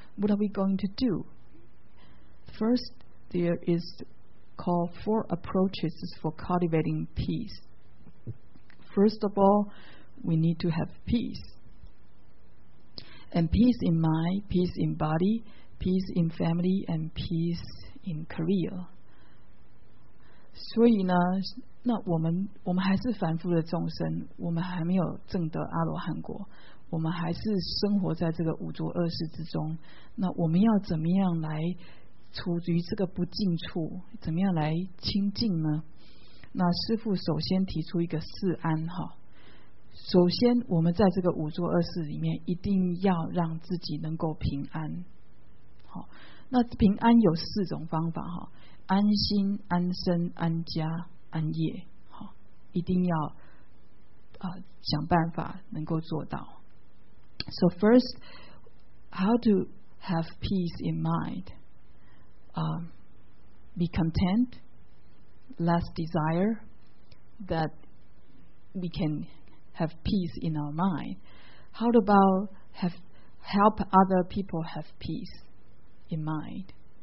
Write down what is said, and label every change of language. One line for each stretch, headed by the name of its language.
English: What are we going to do? First, there is called four approaches for cultivating peace. First of all, we need to have peace. And peace in mind, peace in body, peace in family, and peace in career.
Chinese: 所以呢，那我们还是凡夫的众生，我们还没有证得阿罗汉果，我们还是生活在这个五浊恶世之中。那我们要怎么样来处于这个不净处，怎么样来清净呢？那师父首先提出一个四安哈。首先我们在这个五浊恶世里面一定要让自己能够平安，好，那平安有四种方法，安心、安身、安家、安业，好，一定要想办法能够做到。
English: So first, how to have peace in mind, be content, less desire, that we canhave peace in our mind. How about help other people have peace in mind?